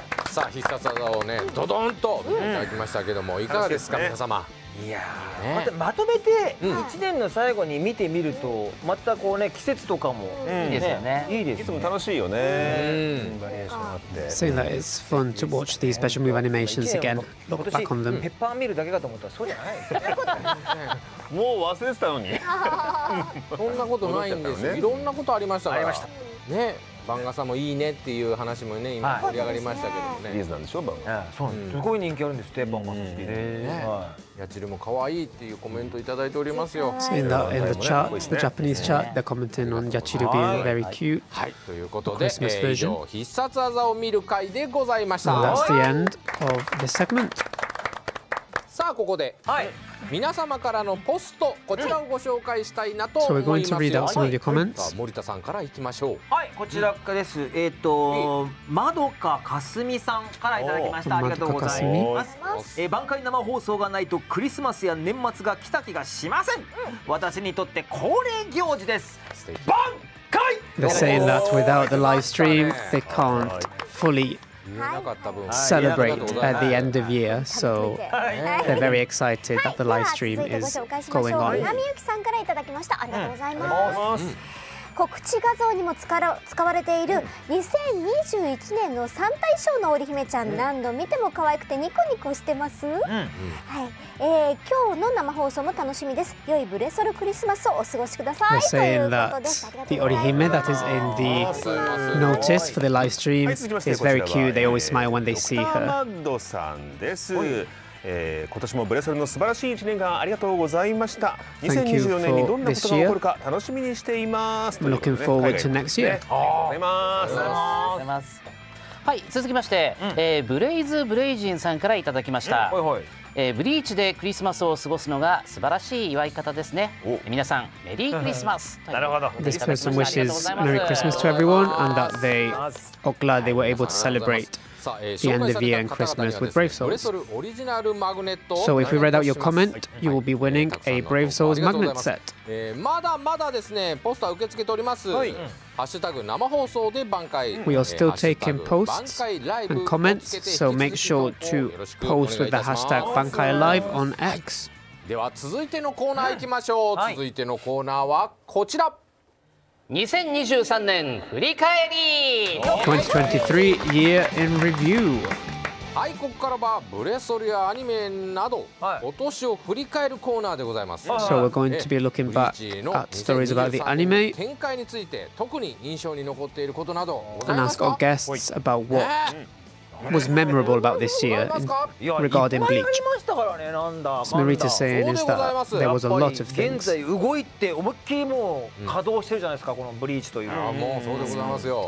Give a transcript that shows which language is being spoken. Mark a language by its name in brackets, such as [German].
[Japanese] さあ必殺技をねドドンといただきましたけども、いかがですか皆様。いやー、ね、まとめて1年の最後に見てみると、またこうね季節とかも、いいですよね。いつも楽しいよね。バリエーションあって。 [English] Saying that it's fun to watch these special movie animations again, look back on them. [Japanese] ペッパー見るだけかと思ったらそうじゃない。もう忘れてたのに。そんなことないんですよ。いろんなことありましたから。ありましたね。番傘もいいねっていう話もね、今盛り上がりましたけどね。シリーズなんでしょ、番傘。そう、すごい人気あるんですって、番傘シリーズ。へー。ヤチルも可愛いっていうコメントいただいておりますよ。 [English] In the chart, the Japanese chart, they're commenting on ヤチル being very cute. [Japanese] はい、ということで、以上、必殺技を見る回でございました。 [English] And that's the end of this segment. [Japanese] さあ、ここで、はい。皆様からのポスト、こちらをご紹介したいなと思います。 [English] So we're going to read out some of your comments. [Japanese] 森田さんからいきましょう。はい、こちらです、うん、まどかかすみさんからいただきました。ありがとうございます。挽回生放送がないとクリスマスや年末が来た気がしません、私にとって恒例行事です。挽回。 [English] They're saying that without the live stream they can't fullyCelebrate at the end of year, so they're very excited that the live stream is going on. [Japanese] 波ゆきさんからいただきました。ありがとうございます。告知画像にも使われている2021年の3大賞の織姫ちゃん、何度見ても可愛くてニコニコしてます、はい。今日の生放送も楽しみです。良いブレソルクリスマスをお過ごしください。 [English] They're saying that the 織姫 that is in the notice for the live stream is very cute. They always smile when they see her. [Japanese] ドクターマッドさんです。今年もブレソルの素晴らしい1年間ありがとうございました。 2024年にどんなことが起こるか楽しみにしています。 [English] I'm looking forward to next year. [Japanese] ありがとうございます。はい、続きまして、ブレイズブレイジンさんからいただきました。ブリーチでクリスマスを過ごすのが素晴らしい祝い方ですね。皆さんメリークリスマス。なるほど。 [English] This person wishes Merry Christmas to everyone and that they are glad they were able to celebrateThe end of year and Christmas with Brave Souls. So if we read out your comment, you will be winning a Brave Souls magnet set. [Japanese] まだまだですね、ポスター受け付けております。ハッシュタグ生放送で挽回。 [English] We are still taking posts and comments, so make sure to post with the hashtag 挽回 live on X. [Japanese] では続いてのコーナー行きましょう。続いてのコーナーはこちら。 2023年振り返り。 [English] 2023 Year in Review。 [Japanese] はい、ここからはブレソルやアニメなど、今年を振り返るコーナーでございます。 [English] So we're going to be looking back at stories about the anime. [Japanese] 展開について特に印象に残っていることなど。 [English] And ask our guests about what was memorable about this year regarding Bleach. Smarita saying is that there was a lot of things. [Japanese] 現在動いて思いっきりもう稼働してるじゃないですか、このブリーチという。もうそうでございますよ。